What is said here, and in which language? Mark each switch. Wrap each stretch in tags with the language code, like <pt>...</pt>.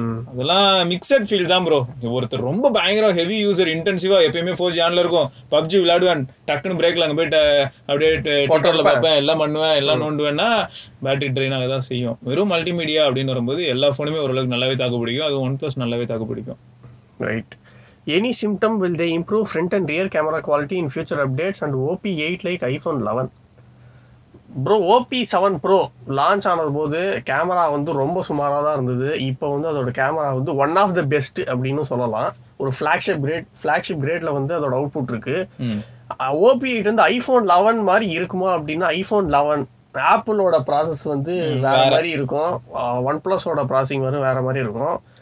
<ta>அதெல்லாம் mixed feel தான் bro. ஒருத்தர் ரொம்ப பயங்கரம் ஹெவி யூசர், இன்டென்சிவா எப்பயுமே 4G ஆன்ல இருக்கும், பப்ஜி விளையாடுவேன், டக்குன்னு பிரேக்ல அங்கே போயிட்டு அப்படியே ஃபோட்டோவில் பார்ப்பேன், எல்லாம் பண்ணுவேன், எல்லாம் நோண்டுவேன்னா பேட்டரி ட்ரெயின் ஆக தான் செய்யும். வெறும் மல்டிமீடியா அப்படின்னு வரும்போது எல்லா ஃபோனுமே ஓரளவுக்கு நல்லாவே தாக்கு பிடிக்கும், அது ஒன் பிளஸ் நல்லாவே தாக்கு பிடிக்கும். Right.</ta> <en>Any symptom will they improve front and rear camera quality in future updates and OP8 like iPhone 11?</en> <ta>Bro, OP7 Pro launch ஆனபோது camera வந்து ரொம்ப சுமாராக தான் இருந்தது. இப்போ வந்து அதோட கேமரா வந்து ஒன் ஆஃப் த பெஸ்ட் அப்படின்னு சொல்லலாம். ஒரு ஃப்ளாக்ஷிப் கிரேட்ல வந்து அதோட அவுட் புட் இருக்கு. OP8 வந்து ஐஃபோன் 11 மாதிரி இருக்குமா அப்படின்னா, ஐஃபோன் 11 ஆப்பிளோட ப்ராசஸ் வந்து வேற மாதிரி இருக்கும், ஒன் பிளஸோட ப்ராசஸிங் வந்து வேற மாதிரி இருக்கும்.</ta>